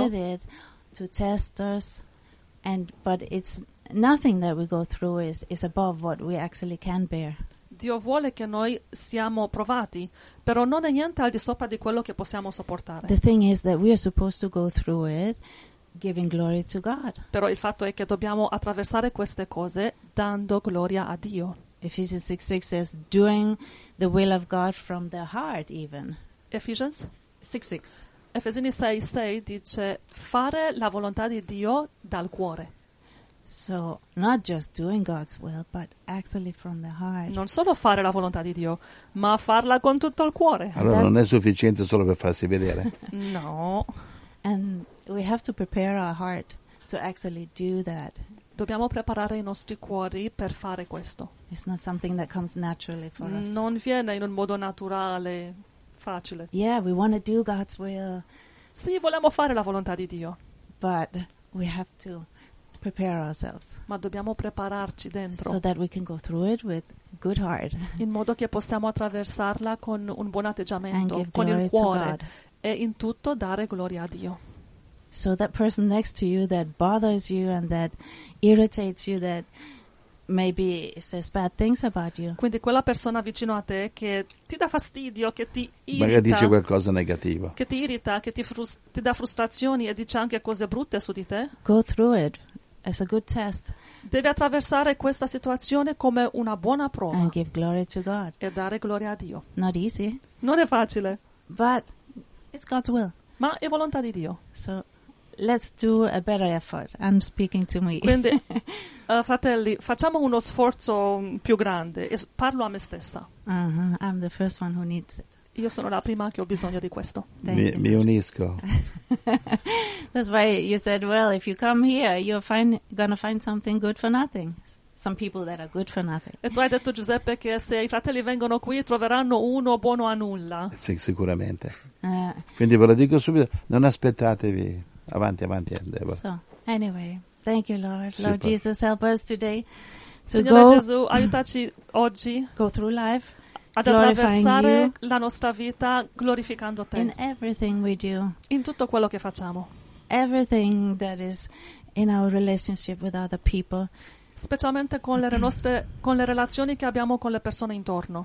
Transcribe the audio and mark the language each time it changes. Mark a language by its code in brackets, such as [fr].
[en] He permitted it to test us, but it's nothing that we go through is above what we actually can bear. [it] Dio vuole che noi siamo provati, però non è niente al di sopra di quello che possiamo sopportare. [en] The thing is that we are supposed to go through it, giving glory to God. [it] Però il fatto è che dobbiamo attraversare queste cose dando gloria a Dio. [en] Ephesians 6:6 says, doing the will of God from the heart, even. Ephesians 6:6. [it] Efesini 6:6 dice fare la volontà di Dio dal cuore. [en] So not just doing God's will, but actually from the heart. [it] Non solo fare la volontà di Dio, ma farla con tutto il cuore. Allora non è sufficiente solo per farsi vedere. No. [en] And we have to prepare our heart to actually do that. [it] Dobbiamo preparare i nostri cuori per fare questo. [en] It's not something that comes naturally for us. [it] Non viene in un modo naturale. Facile. [en] Yeah, we want to do God's will. [it] Sì, vogliamo fare la volontà di Dio. [en] But we have to prepare ourselves. [it] Ma dobbiamo prepararci dentro. [en] So that we can go through it with good heart. [it] In modo che possiamo attraversarla con un buon atteggiamento, con il cuore, e in tutto dare gloria a Dio. [en] So that person next to you that bothers you and that irritates you, that maybe says bad things about you. [it] Quindi quella persona vicino a te che ti dà fastidio, che ti irrita. Magari dice qualcosa negativo. Che ti irrita, che ti dà frustrazioni e dice anche cose brutte su di te. [en] Go through it. It's a good test. [it] Devi attraversare questa situazione come una buona prova. [en] And give glory to God. [it] E dare gloria a Dio. [en] Not easy. [it] Non è facile. [en] But it's God's will. [it] Ma è volontà di Dio. [en] So let's do a better effort. I'm speaking to me. [it] Quindi, fratelli, facciamo uno sforzo più grande. Parlo a me stessa. [en] I'm the first one who needs it. [it] Io sono la prima che ho bisogno di questo. Mi unisco. [en] That's why you said, well, if you come here, you're gonna find something good for nothing. Some people that are good for nothing. [it] E tu hai detto, Giuseppe, che se i fratelli vengono qui, troveranno uno buono a nulla. Sì, sicuramente. Quindi ve lo dico subito, non aspettatevi. Avanti, [en] Deborah. So, anyway, thank you, Lord. Sì, Lord Jesus, help us today. [it] Signore Gesù, aiutaci oggi. [en] Go through life. [it] Ad attraversare la nostra vita glorificando te. [en] In everything we do. [it] In tutto quello che facciamo. [en] Everything that is in our relationship with other people. [it] Specialmente con le nostre con le relazioni che abbiamo con le persone intorno.